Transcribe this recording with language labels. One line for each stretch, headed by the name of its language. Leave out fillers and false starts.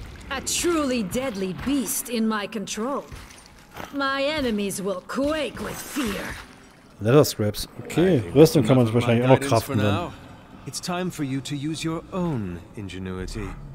English: A truly deadly beast in my control. My enemies will quake with fear. Leather scraps.
German: Okay, Rüstung kann man sich wahrscheinlich auch craften dann.
English: It's time for you to use your own ingenuity.